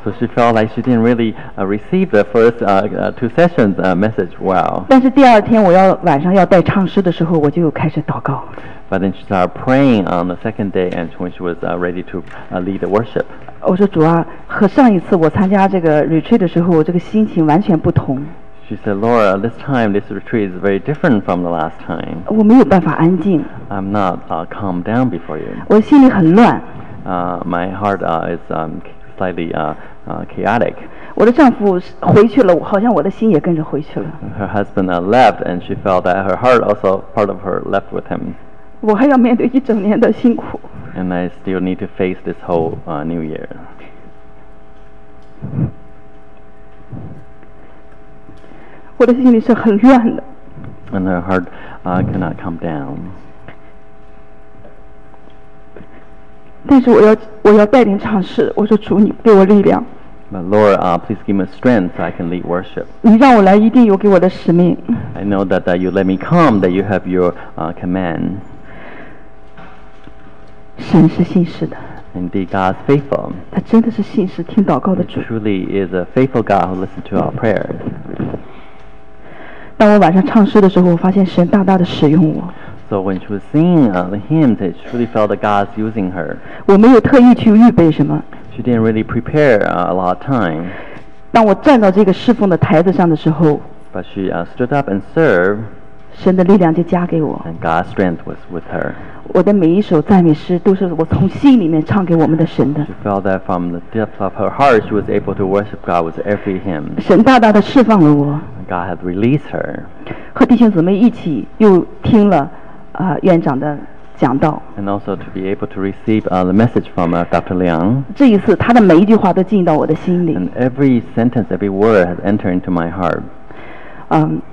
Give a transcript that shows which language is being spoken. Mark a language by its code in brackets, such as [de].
[en] So she felt like she didn't really receive the first two sessions message well. [zh] 但是第二天我要晚上要带唱诗的时候，我就开始祷告。 [en] But then she started praying on the second day, and when she was ready to lead the worship. [zh] 我说主啊，和上一次我参加这个 retreat 的时候，我这个心情完全不同。 [en] She said, Laura, this time this retreat is very different from the last time. [zh] 我没有办法安静。 [en] I'm not calmed down before you. [zh] 我心里很乱。 [en] My heart is slightly chaotic. [zh] 我的丈夫回去了，好像我的心也跟着回去了。 [en] Her husband left, and she felt that her heart also part of her left with him. [zh] 我还要面对一整年的辛苦。 [en] And I still need to face this whole new year. [zh] 我的心里是很乱的。 [en] And her heart cannot calm down. [zh] 但是我要带领唱诗，我说主你给我力量。 [en] But Lord, please give me strength so I can lead worship. [zh] 你让我来一定有给我的使命。 [en] I know that you let me come, that you have your command. [zh] 神是信实的。 [en] Indeed, God is faithful. [zh] 他真的是信实听祷告的主。 [en] He truly is a faithful God who listens to our prayers. [zh] 当我晚上唱诗的时候，我发现神大大的使用我。 [en] So when she was singing the hymns, it truly felt that God is using her. [zh] 我没有特意去预备什么。 [en] She didn't really prepare a lot of time. [zh] 当我站到这个侍奉的台子上的时候 [en] ，But she stood up and served. [zh] 神的力量就加给我。 [en] And God's strength was with her. [zh] 我的每一首赞美诗都是我从心里面唱给我们的神的。 [en] She felt that from the depths of her heart, she was able to worship God with every hymn. [zh] 神大大的释放了我。 [en] God had released her. [zh] 和弟兄姊妹一起又听了院长的讲道。 [en] And also to be able to receive the message from Dr. Liang. [zh] 这一次，他的每一句话都进到我的心里。 [en] And every sentence, every word has entered into my heart.